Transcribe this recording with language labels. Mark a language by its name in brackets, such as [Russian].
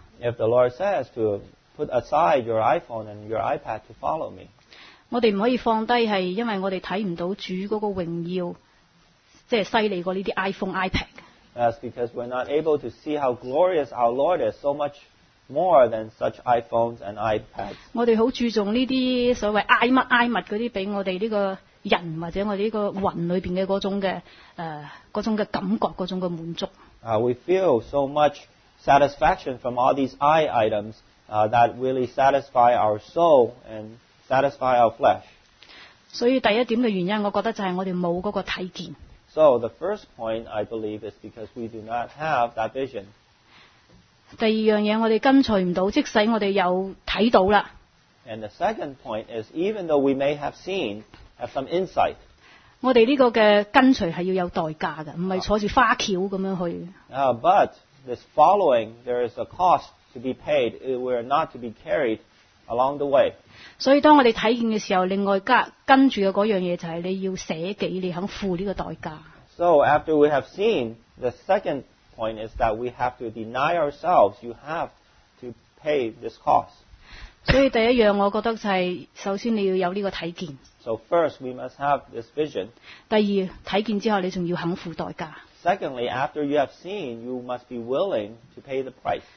[English] ，If the Lord says to put aside your iPhone and your iPad to follow me, [Cantonese] 我哋唔可以放低係因為我哋睇唔到主嗰個榮耀，即係犀利過呢啲 iPhone、iPad。 [English] That's because we're not able to see how glorious our Lord is, so much more than such iPhones and iPads. [Cantonese] 我哋好注重呢啲所謂 I 乜 I 物嗰啲俾我哋呢個人或者我哋呢個魂裏邊嘅嗰種嘅嗰種嘅感覺嗰種嘅滿足。 [English] We feel so much satisfaction from all these I items that really satisfy our soul and satisfy our flesh. [Cantonese] 所以第一點嘅原因，我覺得就係我哋冇嗰個睇見。 [English] So the first point I believe is because we do not have that vision. [Cantonese] 第二樣嘢我哋跟隨唔到，即使我哋有睇到啦。 [English] And the second point is even though we may have seen, have some insight. [Cantonese] 我哋呢個嘅跟隨係要有代價嘅，唔係坐住花轎咁樣去。 [English] But this following, there is a cost to be paid. We are not to be carried along the way. [Cantonese] 所以當我哋睇見嘅時候，另外跟住嘅嗰樣嘢就係你要捨己，你肯付呢個代價。 [English] So after we have seen, the second point is that we have to deny ourselves. You have to pay this cost. [Cantonese] 所以第一樣我覺得就係首先你要有呢個睇見。 [English] So first we must have this vision. [Cantonese] 第二睇見之後你仲要肯付代價。 [English] Secondly, after you have seen, you must be willing to pay the price.